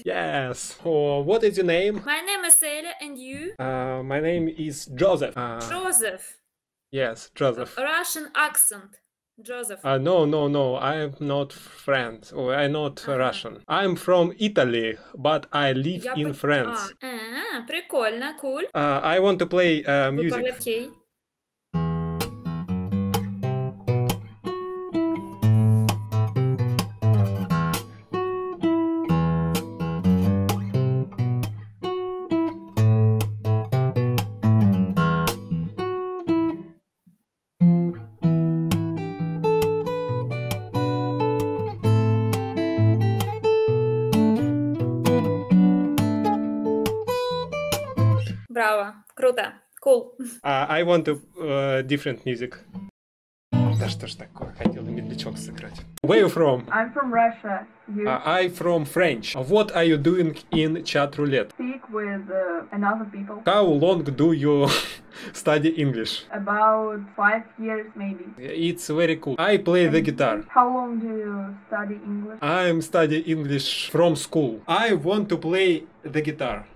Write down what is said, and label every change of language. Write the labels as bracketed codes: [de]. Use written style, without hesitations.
[en] Yes. Oh, what is your name? My name is Elia, and you? My name is Joseph. Joseph. Yes, Joseph. Russian accent. Joseph. No. I'm not French. Oh, I'm not Russian. I'm from Italy, but I live in France. [ru] Прикольно, cool. [en] I want to play music. [ru] Браво, круто, cool. [en] I want to different music. [ru] Да что ж такое, хотел медлячок сыграть. [en] Where are you from? I'm from Russia. I from French. What are you doing in chat roulette? Speak with another people. How long do you study English? About 5 years, maybe. It's very cool. I play the guitar. How long do you study English? I'm study English from school. I want to play the guitar.